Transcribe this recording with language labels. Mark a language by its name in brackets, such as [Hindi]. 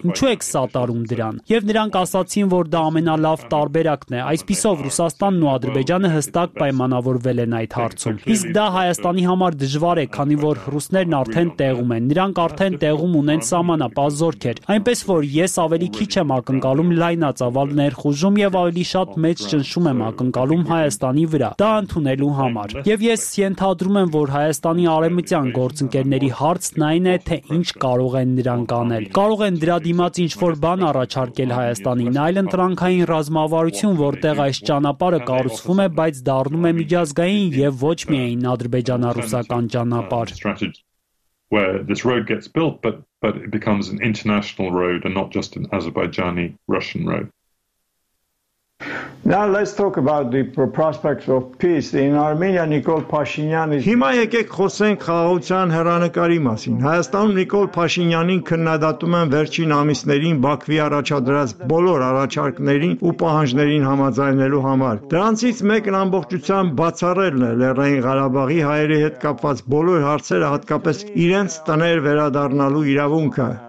[Armenian] Ինչու եք սատարում դրան։ Եվ նրանք ասացին, որ դա ամենալավ տարբերակն է, այսպիսով Ռուսաստանն ու Ադրբեջանը հստակ պայմանավորվել են այդ հարցում։ Իսկ դա Հայաստանի համար դժվար է, քանի որ ռուսներն արդեն տեղում են, նրանք արդեն տեղում ունեն սահմանապահ զորքեր։ Այնպես որ ես ավելի քիչ եմ ակնկալում լայնածավալ ներխուժում եւ ավելի շատ մեծ ճնշում եմ ակնկալում Հայաստանի վրա, դա ընդունելու համար։ Եվ ես ենթադրում եմ, որ Հայաստանի արևմտյան գործընկերների հարցն այն է, թե ինչ կարող են նրանք անել։ Կարող են դրա դիմաց ինչ-որ բան առաջարկել Հայաստանին, այլ ընտրանքային ռազմավարություն, որտեղ այս ճանապարհը կառուցվում է, բայց դառնում է միջազգային եւ ոչ միայն ադրբեջանա-ռուսական ճանապարհ։ [English] Where this road gets built, but it becomes an international road and not just an Azerbaijani-Russian road. Now let's talk about the prospects of peace in Armenia. Nikol Pashinyan is. [Armenian] Հիմա եկեք խոսենք խաղաղության հեռանկարի մասին։ Հայաստանում Նիկոլ Փաշինյանին քննադատում են վերջին ամիսներին Բաքվի առաջադրած բոլոր առաջարկներին ու պահանջներին համաձայնելու համար։ Դրանցից մեկն ամբողջությամ բացառելն է Լեռնային Ղարաբաղի հայերի հետ կապված բոլոր հարցերը, հատկապես իրենց տներ վերադառնալու իրավունքը։